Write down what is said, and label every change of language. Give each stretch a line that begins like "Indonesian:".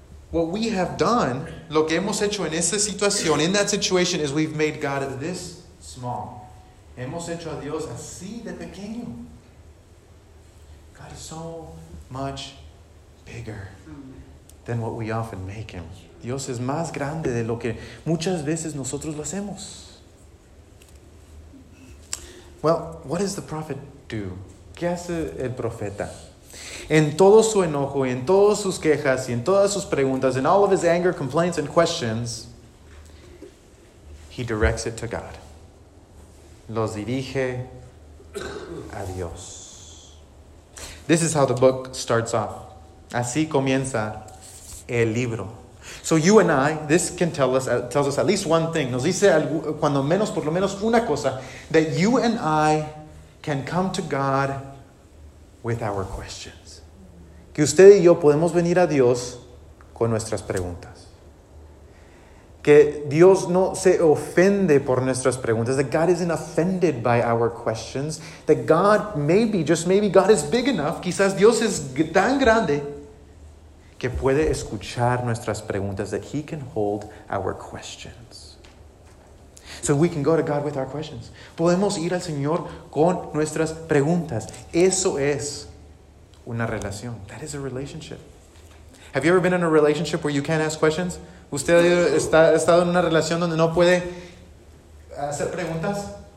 English: What we have done,
Spanish: lo que hemos hecho en esa situación,
English: in that situation, is we've made God this small.
Spanish: Hemos hecho a Dios así de pequeño.
English: God is so much bigger than what we often make him.
Spanish: Dios es más grande de lo que muchas veces nosotros lo hacemos.
English: Well, what does the prophet do?
Spanish: ¿Qué hace el profeta? En todo su enojo, y en todas sus quejas, y en todas sus preguntas,
English: in all of his anger, complaints, and questions, he directs it to God.
Spanish: Los dirige a Dios.
English: This is how the book starts off.
Spanish: Así comienza el libro.
English: So you and I, this can tells us at least one thing.
Spanish: Nos dice cuando menos, por lo menos una cosa,
English: that you and I can come to God with our questions.
Spanish: Que usted y yo podemos venir a Dios con nuestras preguntas. Que Dios no se ofende por nuestras preguntas.
English: That God isn't offended by our questions. That God, maybe, just maybe, God is big enough.
Spanish: Quizás Dios es tan grande que puede escuchar nuestras preguntas.
English: That he can hold our questions. So we can go to God with our questions.
Spanish: Podemos ir al Señor con nuestras preguntas. Eso es una relación.
English: That is a relationship. Have you ever been in a relationship where you can't ask questions?
Spanish: ¿Usted ha estado en una relación donde no puede hacer preguntas?